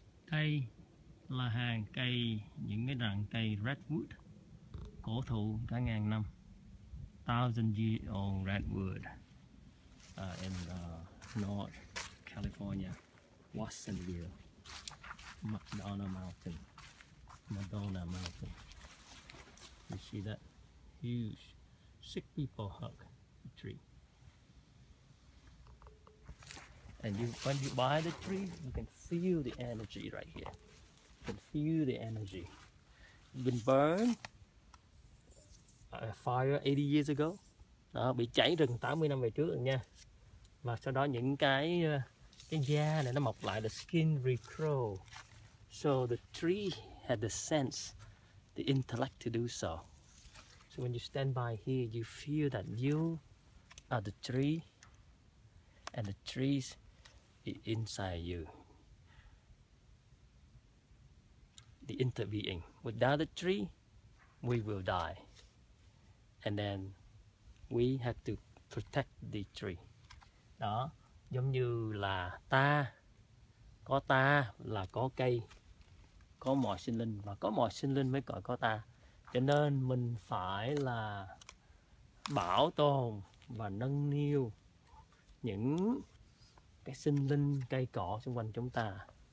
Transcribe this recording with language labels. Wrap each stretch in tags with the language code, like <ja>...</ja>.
<vi>Cây là hàng cây, những cái rặng cây redwood cổ thụ cả ngàn năm,</vi> <en>thousand year old redwood in North California, Watsonville, Madonna Mountain. You see that huge six people hug the tree. And you, when you buy the tree, you can feel the energy right here. You can feel the energy. You can burn a fire 80 years ago.</en> <vi>Đó, bị cháy rừng 80 năm về trước rồi nha. Và sau đó những cái da này nó mọc lại,</vi> <en>the skin regrow. So the tree had the sense, the intellect to do so. So when you stand by here, you feel that you are the tree and the trees inside you, the interbeing. Without the tree, we will die, and then we have to protect the tree.</en> <vi>Đó, giống như là ta là có cây, có mọi sinh linh, và có mọi sinh linh mới gọi có ta. Cho nên mình phải là bảo tồn và nâng niu những cái sinh linh cây cỏ xung quanh chúng ta.</vi>